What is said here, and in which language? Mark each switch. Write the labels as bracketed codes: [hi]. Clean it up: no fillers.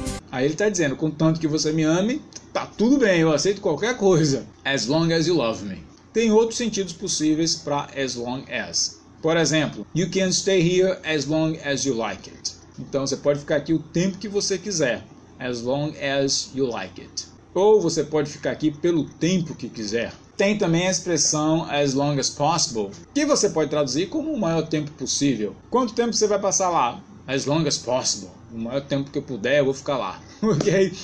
[pt] Aí ele tá dizendo, contanto que você me ame, tá tudo bem, eu aceito qualquer coisa. [en] As long as you love me. [pt] Tem outros sentidos possíveis para [en] as long as. [pt] Por exemplo, [en] you can stay here as long as you like it. [pt] Então, você pode ficar aqui o tempo que você quiser. [en] As long as you like it. [pt] Ou você pode ficar aqui pelo tempo que quiser. Tem também a expressão as long as possible, que você pode traduzir como o maior tempo possível. Quanto tempo você vai passar lá? [en] As long as possible. [pt] O maior tempo que eu puder, eu vou ficar lá. Ok?